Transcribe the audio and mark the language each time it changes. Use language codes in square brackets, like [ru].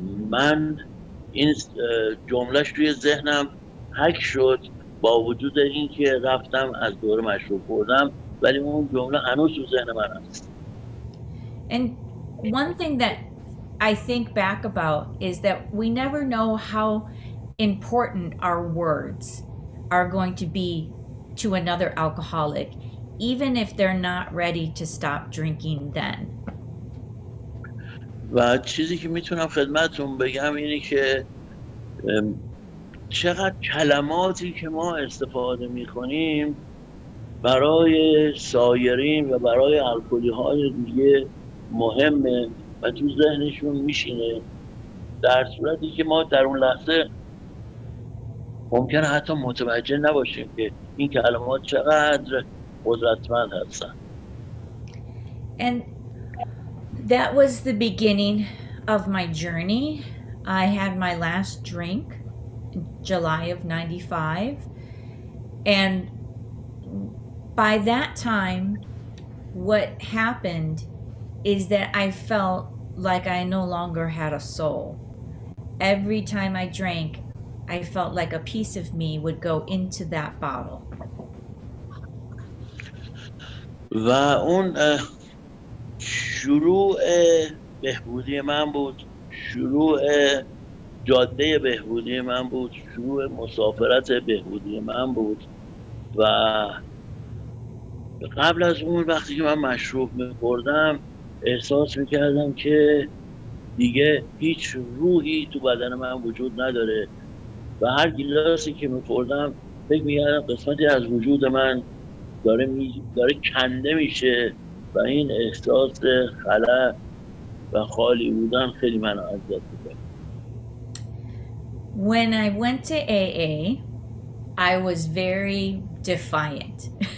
[fa] من این جملهش توی ذهنم حک شد با وجود اینکه رفتم از دور مشروب خوردم، ولی اون جمله هنوز تو ذهن من هست. [en] And one thing that I think back about is that we never know how important our words are going to be to another alcoholic, even if they're not ready to stop drinking then. [fa] و چیزی که میتونم خدمتتون بگم اینه که چقدر کلماتی که ما استفاده میکنیم برای سایرین و برای الکلی های دیگه مهمه و تو ذهنشون میشینه، در صورتی که ما در اون لحظه ممکنه حتی متوجه نباشیم که این کلمات چقدر قدرتمند هستن. [en] And that was the beginning of my journey. I had my last drink July of 95 and by that time what happened is that I felt like I no longer had a soul. Every time I drank, I felt like a piece of me would go into that bottle. [fa] و اون شروع بهبودی من بود، شروع جاده بهبودی من بود، شروع مسافرت بهبودی من بود. و قبل از اون وقتی که من مشروب می‌خوردم احساس می‌کردم که دیگه هیچ روحی تو بدن من وجود نداره و هر گلاسی که می‌خوردم فکر می‌کردم قسمتی از وجود من داره کنده میشه و این احساس خلا و خالی بودن خیلی منو اذیت می‌کرد. [en] When I went to AA, I was very defiant.